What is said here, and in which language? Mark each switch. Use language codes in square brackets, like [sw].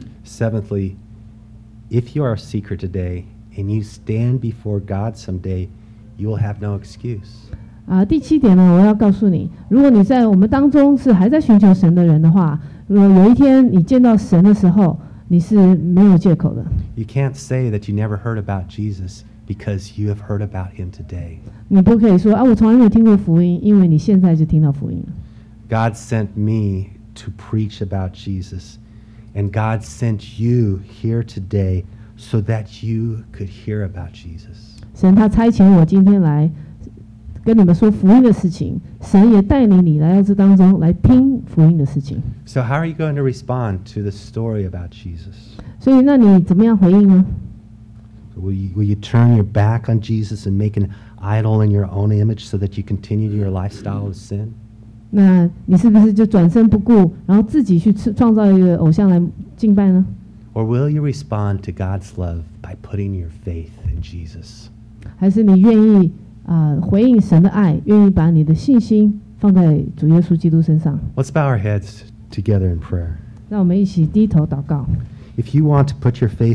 [en] Seventhly, if you are a seeker today,and you stand before God someday, you will have no excuse. [zh] 第七点呢，我要告诉你，如果你在我们当中是还在寻求神的人的话，如果有一天你见到神的时候，你是没有借口的。 [en] You can't say that you never heard about Jesus because you have heard about him today. [zh] 你不可以说啊，我从来没有听过福音，因为你现在就听到福音了。 [en] God sent me to preach about Jesus, and God sent you here today. So that you could hear about Jesus. [zh] 神他差遣我今天来跟你们说福音的事情，神也带领你来到这当中来听福音的事情。 [en] So how are you going to respond to the story about Jesus? [zh] 所以那你怎么样回应呢？ [en] Will you turn your back on Jesus and make an idol in your own image so that you continue your lifestyle of sin? [zh] 那你是不是就转身不顾，然后自己去创造一个偶像来敬拜呢？ [en] Or will you respond to God's love by putting your faith in Jesus? [zh] 还是你愿意回应神的爱，愿意把你的信心放在主耶稣基督身上？ [en] Let's bow our heads together in prayer. [zh] 让我们一起低头祷告。 [en] If you want to put your faith